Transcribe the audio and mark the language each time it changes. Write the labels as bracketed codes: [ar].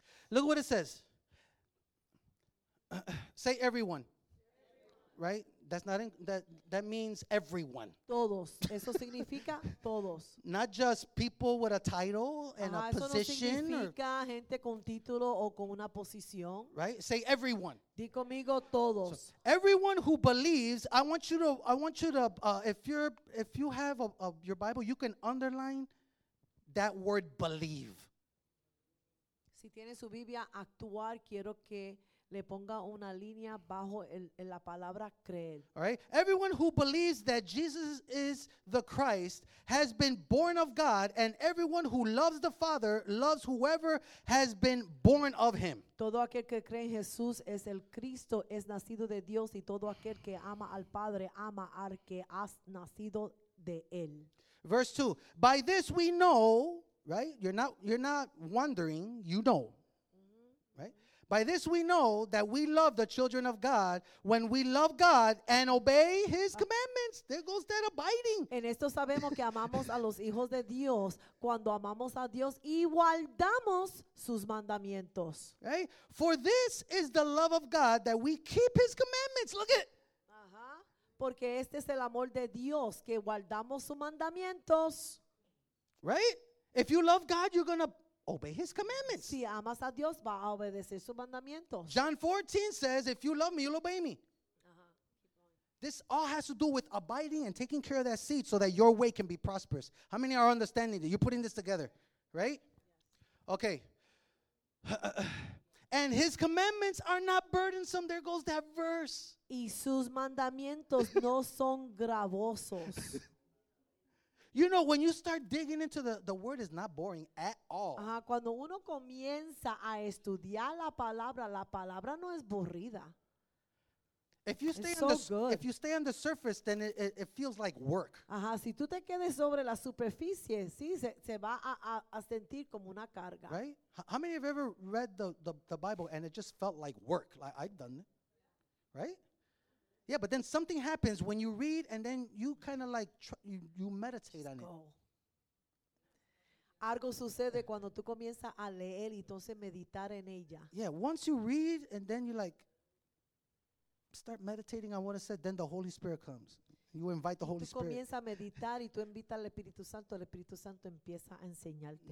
[en] Look what it says. Say everyone, right? That's not that means everyone. [es] Todos. Eso significa todos. [en] Not just people with a title and a position. [es] Eso no significa gente con título o con una posición. [en] Right? Say everyone. [es] Di conmigo todos. So, [en] everyone who believes, I want you to. If you have your Bible, you can underline that word believe. [es] Si tiene su Biblia, actuar quiero que le ponga una línea bajo en la palabra creer. [en] All right. Everyone who believes that Jesus is the Christ has been born of God, and everyone who loves the Father loves whoever has been born of him. [es] Todo aquel que cree en Jesús es el Cristo, es nacido de Dios, y todo aquel que ama al Padre ama al que ha nacido de él. [en] Verse 2. By this we know, right? You're not wondering, you know. By this we know that we love the children of God when we love God and obey his commandments. There goes that abiding. [es] En esto sabemos que amamos a los hijos de Dios cuando amamos a Dios y guardamos sus mandamientos. [en] Right? For this is the love of God, that we keep his commandments. Look at it. Uh-huh. [es] Porque este es el amor de Dios, que guardamos sus mandamientos. [en] Right? If you love God, you're going to obey his commandments. [es] Si amas a Dios, va a obedecer sus mandamientos. [en] John 14 says, if you love me, you'll obey me. Uh-huh. This all has to do with abiding and taking care of that seed so that your way can be prosperous. How many are understanding that? You're putting this together, right? Okay. And his commandments are not burdensome. There goes that verse. [es] Y sus mandamientos no son gravosos. [en] You know, when you start digging into the word, is not boring at all. [es] Cuando uno comienza a estudiar la palabra no es aburrida. [en] If you stay if you stay on the surface, then it feels like work. [es] Ajá, si tú te quedes sobre la superficie, sí, se va a sentir como una carga. [en] Right? How many have ever read the Bible and it just felt like work? Like I've done it, right? Yeah, but then something happens when you read and then you kind of like you meditate on it. [es] Algo sucede cuando tú comienzas a leer y entonces meditar en ella. [en] Yeah, once you read and then you like start meditating on what it said, then the Holy Spirit comes. You invite the Holy Spirit. [es] Tú comienzas a meditar y tú invitas al Espíritu Santo, el Espíritu Santo empieza a enseñarte.